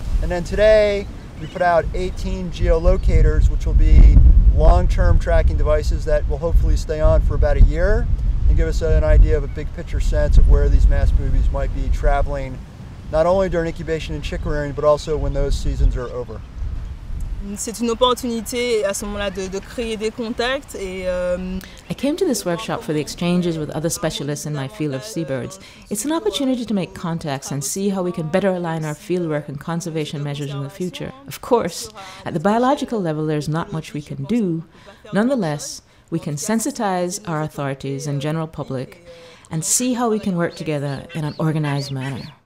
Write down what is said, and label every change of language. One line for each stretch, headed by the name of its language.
English: And then today, we put out 18 geolocators, which will be long-term tracking devices that will hopefully stay on for about a year and give us an idea of a big picture sense of where these masked boobies might be traveling, not only during incubation and chick rearing, but also when those seasons are over.
French: C'est une opportunité à ce moment-là de créer des contacts et
English: I came to this workshop for the exchanges with other specialists in my field of seabirds. It's an opportunity to make contacts and see how we can better align our fieldwork and conservation measures in the future. Of course, at the biological level there's not much we can do. Nonetheless, we can sensitize our authorities and general public and see how we can work together in an organized manner.